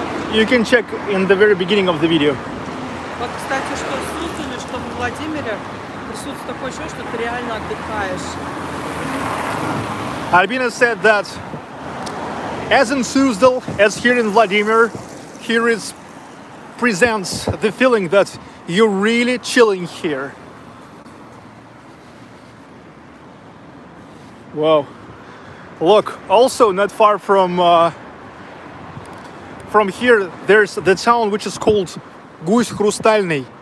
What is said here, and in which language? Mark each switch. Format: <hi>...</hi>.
<en>You can check in the very beginning of the video.</en> <ru>Вот, кстати, что в Суздале, что в Владимире присутствует такое чувство, что ты реально отдыхаешь.</ru> <en>Albina said that as in Suzdal, as here in Vladimir, here is presents the feeling that you're really chilling here. Wow. Look, also not far from here, there's the town which is called Гусь Хрустальный.</en>